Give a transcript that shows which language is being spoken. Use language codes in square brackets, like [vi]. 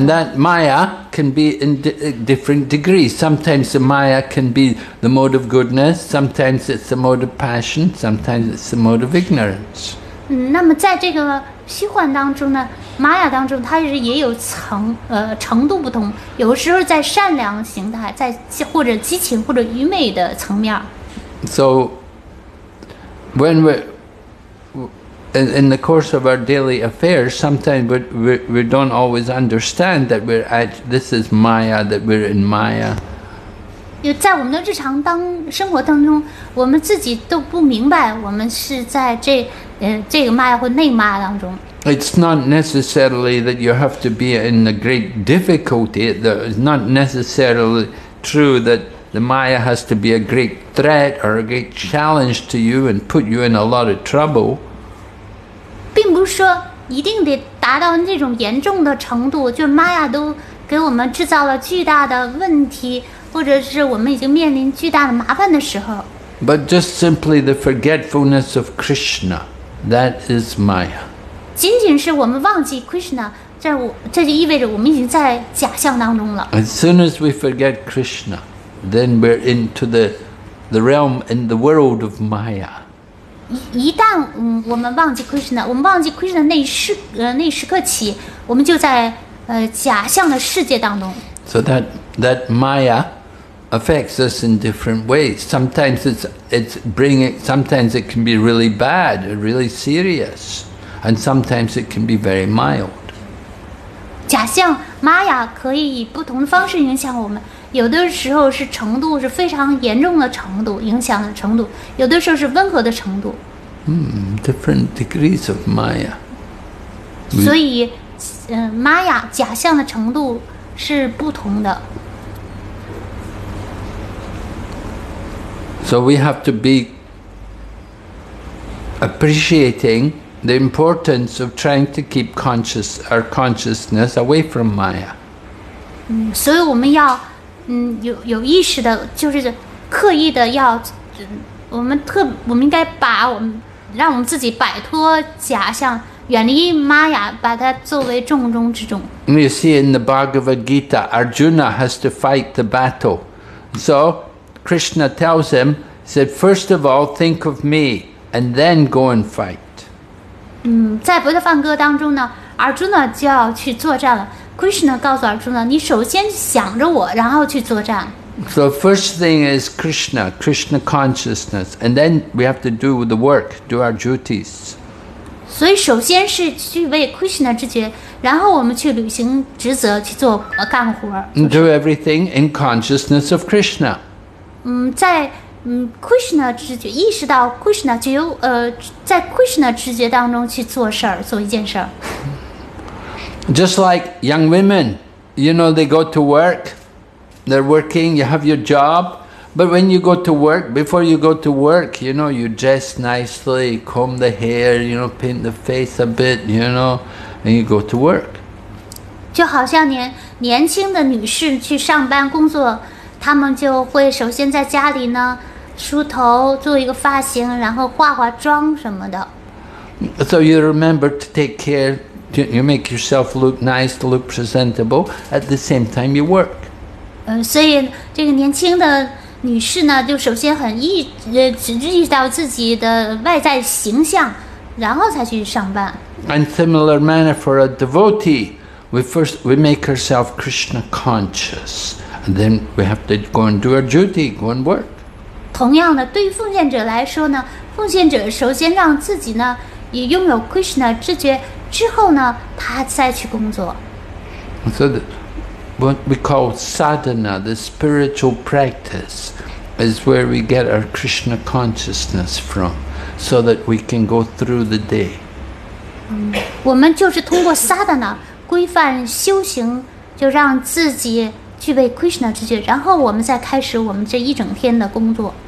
[en] And that Maya can be in different degrees. Sometimes the Maya can be the mode of goodness. Sometimes it's the mode of passion. Sometimes it's the mode of ignorance. [zh] 那么在这个虚幻当中呢 ，Maya 当中它也有程度不同。有时候在善良形态，在或者激情或者愚昧的层面。 [en] So when we In the course of our daily affairs, sometimes we don't always understand that we're at this is Maya, that we're in Maya. [zh] 在我们的日常当生活当中，我们自己都不明白我们是在这个 Maya 或那个 Maya 当中。 [en] It's not necessarily that you have to be in a great difficulty. It's not necessarily true that the Maya has to be a great threat or a great challenge to you and put you in a lot of trouble. [zh] 并不是说一定得达到那种严重的程度，就玛雅都给我们制造了巨大的问题，或者是我们已经面临巨大的麻烦的时候。 [en] But just simply the forgetfulness of Krishna, that is Maya. [zh] 仅仅是我们忘记 Krishna, 这就意味着我们已经在假象当中了。 [en] As soon as we forget Krishna, then we're into the realm in the world of Maya. [zh] 一旦我们忘记 Krishna， 我们忘记 Krishna 那时刻起，我们就在假象的世界当中。 [en] So that Maya affects us in different ways. Sometimes it's bringing. Sometimes it can be really bad, really serious, and sometimes it can be very mild. [zh] 假象 Maya 可以以不同的方式影响我们。有的时候是程度是非常严重的程度，影响的程度；有的时候是温和的程度。 [en] Different degrees of Maya. [zh] 所以，Maya假象的程度是不同的。 [en] So we have to be appreciating the importance of trying to keep our consciousness away from Maya. [zh] 所以我们要。有意识的，就是刻意的要，我们应该把我们让我们自己摆脱假象，远离玛雅，把它作为重中之重。 [en] You see, in the Bhagavad Gita, Arjuna has to fight the battle. So Krishna tells him, said, first of all, think of me, and then go and fight. [zh] 在《白发歌》当中呢 ，Arjuna 就要去作战了。 Krishna 告诉 Arjuna, 你首先想着我，然后去作战。 [en] So first thing is Krishna, Krishna consciousness, and then we have to do the work, do our duties. [zh] 所以首先是去为 Krishna 之觉，然后我们去履行职责，去做干活。 [en] Do everything in consciousness of Krishna. [zh] 在Krishna 之觉，意识到 Krishna 觉，在 Krishna 之觉当中去做事儿，做一件事儿。 [en] Just like young women, you know, they go to work, they're working, you have your job, But when you go to work, before you go to work, you know, you dress nicely, comb the hair, you know, paint the face a bit, you know, and you go to work. [zh] 就好像年轻的女士去上班工作，她们就会首先在家里呢梳头，做一个发型，然后化化妆什么的。 [en] So you remember to take care, you make yourself look nice, look presentable, at the same time you work. [zh] 所以这个年轻的女士呢，就首先很意识到自己的外在形象，然后才去上班。 [en] And similar manner for a devotee, we make ourselves Krishna conscious, and then we have to go and do our duty, go and work. [zh] 同样的，对于奉献者来说呢，奉献者首先让自己呢也拥有 Krishna 知觉，之后呢，他再去工作。 [en] So that what we call sadhana, the spiritual practice, is where we get our Krishna consciousness from, so that we can go through the day. [zh] 我们就是通过 sadhana 规范修行，就让自己具备 Krishna 知觉，然后我们再开始我们这一整天的工作。